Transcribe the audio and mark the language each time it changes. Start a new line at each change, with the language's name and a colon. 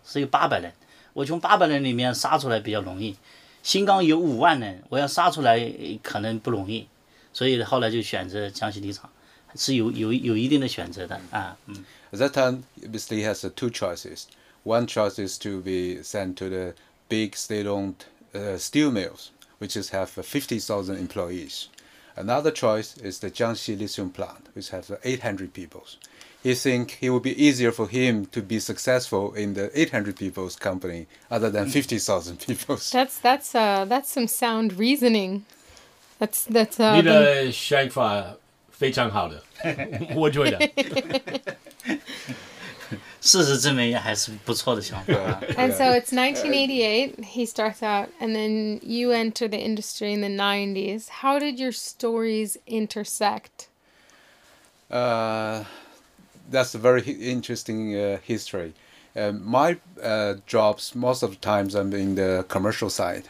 Chinese: 这个问题是你当时大学毕业以后是被分配到你的工厂，还是你有这个选择自己？也有选择。首先是学校可以分配，分配了当时新钢和江西锂厂两个单位由我选。我觉得我到江西锂厂来了，前途会大一点。为什么呢？因为它的人少，是有800人，我从800人里面杀出来比较容易。新钢有50,000人，我要杀出来可能不容易，所以后来就选择江西锂厂，是有一定的选择的啊。
English: At that time, Mr. Li has two choices. One choice is to be sent to the big state-owned steel mills, which is have 50,000 employees. Another choice is the Jiangxi lithium plant, which has 800 people. He think it would be easier for him to be successful in the 800 people's company other than 50,000 people's. That's some sound reasoning. That's
Chinese: 你的想法非常好的，我觉得。事实证明还是不错的想法。
English: And so it's 1988, he starts out, and then you enter the industry in the 90s. How did your stories intersect? That's a very interesting history. My jobs, most of the times I'm in the commercial side.